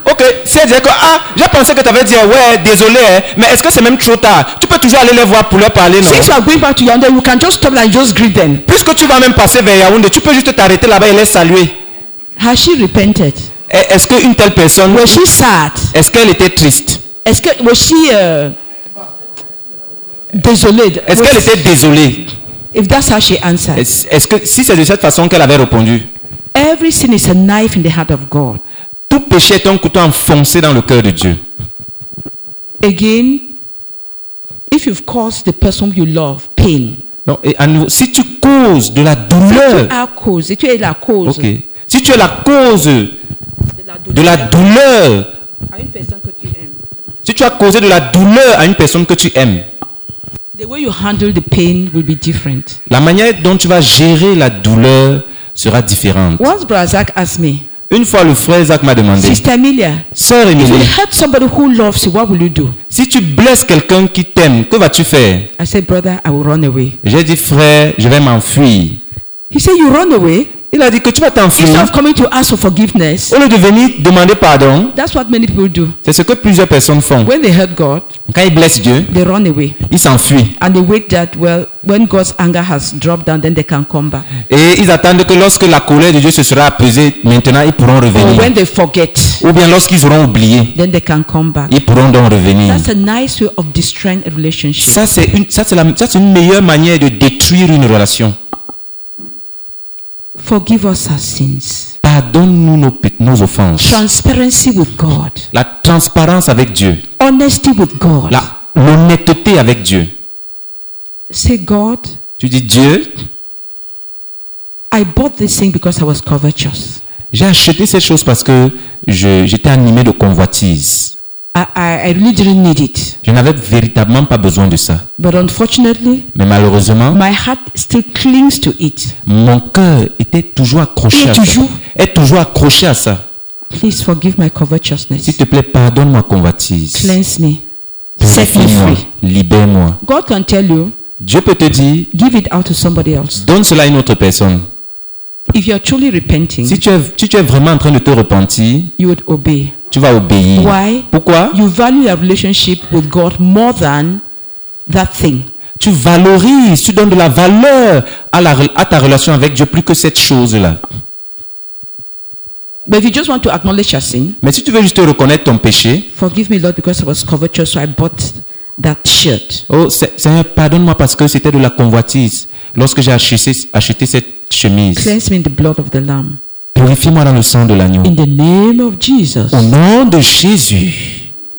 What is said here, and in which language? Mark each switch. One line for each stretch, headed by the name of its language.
French: Okay, si elle disait que, j'ai pensé que tu avais dit, ouais, désolé, mais est-ce que c'est même trop tard? Tu peux toujours aller les voir pour leur parler, non?
English: Since you are going back to Yaoundé, you can just stop and just greet them.
French: Puisque tu vas même passer vers Yaoundé, tu peux juste t'arrêter là-bas et les saluer.
English: Has she repented?
French: Est-ce qu'une telle personne.
English: Was she sad?
French: Est-ce qu'elle était triste? Est-ce que.
English: Was she.
French: Désolée? Est-ce qu'elle était désolée?
English: If that's how she answered.
French: Est-ce que si c'est de cette façon qu'elle avait répondu?
English: Every sin is a knife in the heart of God.
French: Tout péché est un couteau enfoncé dans le cœur de Dieu.
English: Again, if you've caused the person you love pain.
French: Non, et à nouveau, si tu causes de la douleur. Si tu as causé, si tu es la cause. OK. Si tu es la cause de la douleur à une personne que tu aimes. Si tu as causé de la douleur à une personne que tu aimes.
English: The way you handle the pain will be different.
French: La manière dont tu vas gérer la douleur sera différente.
English: Once Brother Zach asked me.
French: Une fois le frère Zach m'a demandé.
English: Sister Emilia.
French: Sœur Emilia.
English: If you hurt somebody who loves you, what will you do?
French: Si tu blesses quelqu'un qui t'aime, que vas-tu faire?
English: I said, brother, I will run away.
French: J'ai dit frère, je vais m'enfuir.
English: He said, you run away.
French: Il a dit que tu vas t'enfuir.
English: Instead of coming to ask for forgiveness.
French: Au lieu de venir demander pardon.
English: That's what many people do.
French: C'est ce que plusieurs personnes font.
English: When they hurt God.
French: Quand ils blessent Dieu.
English: They run away.
French: Ils s'enfuient.
English: And they wait that well, when God's anger has dropped down, then they can come back.
French: Et ils attendent que lorsque la colère de Dieu se sera apaisée, maintenant ils pourront revenir.
English: Or when they forget.
French: Ou bien lorsqu'ils auront oublié.
English: Then they can come back.
French: Ils pourront donc revenir.
English: That's a nice way of destroying a relationship.
French: Ça c'est une meilleure manière de détruire une relation.
English: Forgive us our sins.
French: Pardonne-nous nos offenses.
English: Transparency with God.
French: La transparence avec Dieu.
English: Honesty with God.
French: L'honnêteté avec Dieu.
English: Say God.
French: Tu dis Dieu.
English: I bought this thing because I was covetous.
French: J'ai acheté cette chose parce que j'étais animé de convoitise.
English: I really didn't need it.
French: Je n'avais véritablement pas besoin de ça.
English: But unfortunately,
French: mais malheureusement,
English: my heart still clings to it.
French: Mon cœur était toujours accroché et à toujours, ça. Est toujours accroché à ça.
English: Please forgive my covetousness.
French: S'il te plaît, pardonne ma convoitise.
English: Cleanse me. Set me free.
French: Libère-moi.
English: God can tell you.
French: Dieu peut te dire.
English: Give it out to somebody else.
French: Donne cela à une autre personne.
English: If you are truly repenting,
French: si tu es vraiment en train de te repentir,
English: you would obey.
French: Tu vas obéir.
English: Why?
French: Pourquoi?
English: You value your relationship with God more than that thing.
French: Tu valorises, tu donnes de la valeur à ta relation avec Dieu plus que cette chose-là.
English: But if you just want to acknowledge your sin,
French: mais si tu veux juste reconnaître ton péché,
English: forgive me, Lord, because I was covetous, so I bought that shirt.
French: Oh, Seigneur, pardonne-moi parce que c'était de la convoitise lorsque j'ai acheté cette chemise.
English: Cleanse me in the blood of the Lamb.
French: Purifie-moi dans le sang de l'agneau.
English: In the name of Jesus.
French: Au nom de Jésus.